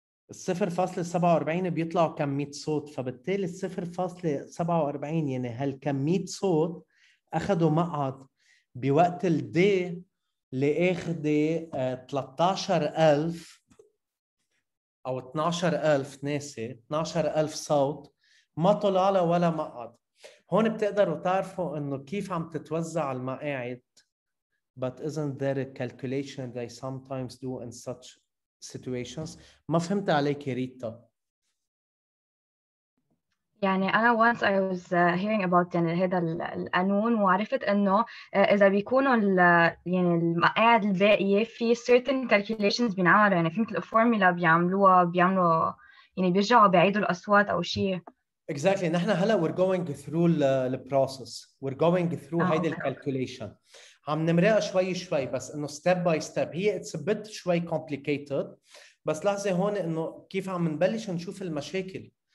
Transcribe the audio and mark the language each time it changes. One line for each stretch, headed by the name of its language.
Arabic: الصفر فاصلة 47 بيطلعوا كم 100 صوت، فبالتالي الصفر فاصلة 47 يعني هالكم 100 صوت أخدوا مقعد بوقت الدي اللي اخذ 13,000 او 12,000 ناسي 12,000 صوت ما طلع له ولا مقعد. هون بتقدروا تعرفوا انه كيف عم تتوزع المقاعد.
English: But isn't there a calculation they sometimes do in such situations؟
Arabic: ما فهمت عليك يا ريتا. يعني أنا
English: once I was hearing about
Arabic: يعني هذا القانون وعرفت إنه إذا بيكونوا يعني المقاعد الباقية في
English: certain calculations
Arabic: بينعملوا، يعني في مثل فورمولا بيعملوها، بيعملوا يعني بيرجعوا بيعيدوا الأصوات أو شيء.
English: Exactly. نحن هلا we're going through the process. We're going through
Arabic: هيدا الكالكوليشن. عم نمرقها شوي شوي بس إنه
English: step by step. هي it's a bit شوي complicated.
Arabic: بس لاحظ هون إنه كيف عم نبلش نشوف المشاكل.